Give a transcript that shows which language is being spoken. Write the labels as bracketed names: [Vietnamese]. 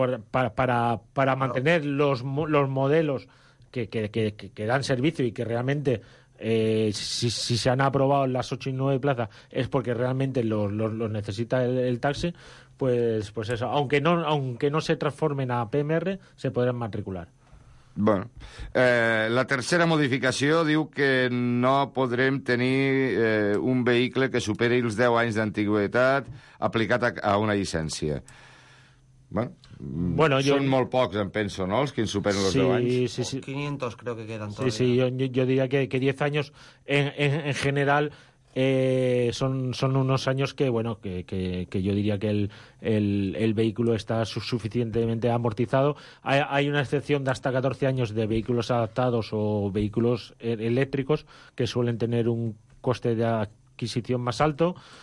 [Spanish] Para mantener los modelos que dan servicio y que realmente, si se han aprobado las 8 y 9 plazas, es porque realmente los necesita el taxi, pues eso. Aunque no se transformen a PMR, se podrán matricular. [Catalan] Bueno, la tercera modificació diu que no podrem tenir un vehicle que superi els 10 anys d'antiguitat aplicat a una llicència. Bueno, son molt pocs, em penso, no?, els que superen los 10 anys. Sí, sí. [Spanish] 500 creo que quedan todavía. Sí, yo diría que 10 años en general son unos años que, bueno, que yo diría que el vehículo está suficientemente amortizado. Hay una excepción de hasta 14 años de vehículos adaptados o vehículos eléctricos que suelen tener un coste de adquisición más alto.